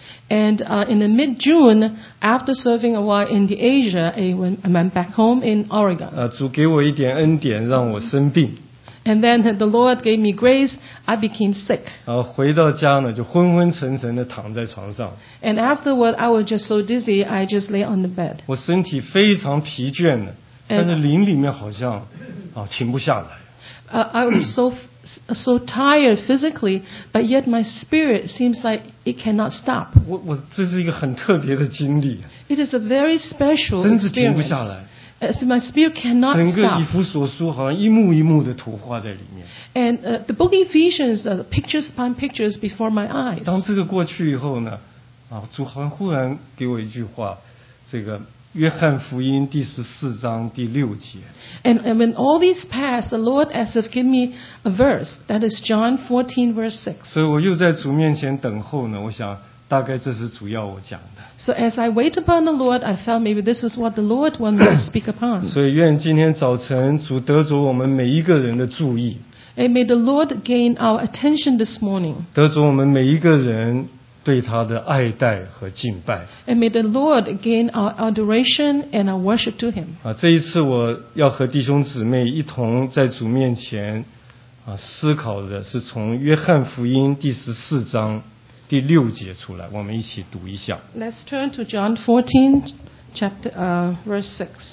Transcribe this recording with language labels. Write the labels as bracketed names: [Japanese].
[English] And in the mid-June, after serving a while in the Asia, I went back home in Oregon. [Chinese] 主给我一点恩典，让我生病。 [English] And then the Lord gave me grace, I became sick. [Chinese] 回到家呢，就昏昏沉沉地躺在床上。 [English] And afterward, I was just so dizzy, I just lay on the bed. [Chinese] 我身体非常疲倦的，但是灵里面好像停不下来。 [English] I was so tired physically, but yet my spirit seems like it cannot stop. [Chinese] 我这是一个很特别的经历。 [English] It is a very special experience. [Chinese] 真是停不下来。 [English] As my spirit cannot stop. [Chinese] 整个以弗所书好像一幕一幕的图画在里面。 [English] And the book Ephesians, pictures upon pictures before my eyes. [Chinese] 当这个过去以后呢，主好像忽然给我一句话，这个约翰福音第十四章第六节。 [English] And when all these pass, the Lord as if give me a verse, that is John 14 verse 6. [Chinese] 所以我又在主面前等候呢，我想大概这是主要我讲的。 [English] So as I wait upon the Lord, I felt maybe this is what the Lord wants me to speak upon. [Chinese] 所以愿今天早晨主得着我们每一个人的注意。 [English] And may the Lord gain our attention this morning. [Chinese] 得着我们每一个人对他的爱戴和敬拜。 [English] And may the Lord gain our adoration and our worship to him. [Chinese] 这一次我要和弟兄姊妹一同在主面前思考的是从约翰福音第十四章第六节出来，我们一起读一下。 [English] Let's turn to John 14, verse 6.